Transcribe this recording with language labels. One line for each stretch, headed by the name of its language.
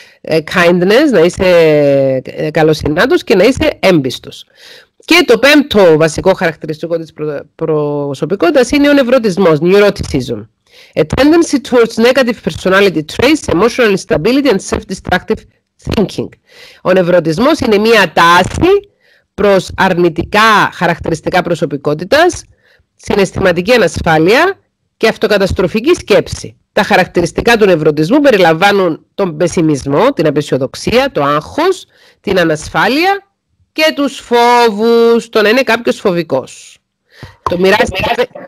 Greek: kindness, να είσαι καλοσυνάτος και να είσαι έμπιστος. Και το πέμπτο βασικό χαρακτηριστικό της προσωπικότητας είναι ο νευρωτισμός, neuroticism.
English: A tendency towards negative personality traits, emotional instability and self-destructive thinking.
Greek: Ο νευρωτισμός είναι μία τάση προς αρνητικά χαρακτηριστικά προσωπικότητας, συναισθηματική ανασφάλεια και αυτοκαταστροφική σκέψη. Τα χαρακτηριστικά του νευρωτισμού περιλαμβάνουν τον πεσιμισμό, την απεσιοδοξία, το άγχος, την ανασφάλεια και τους φόβους, το να είναι κάποιος φοβικός. Το μοιράζεται.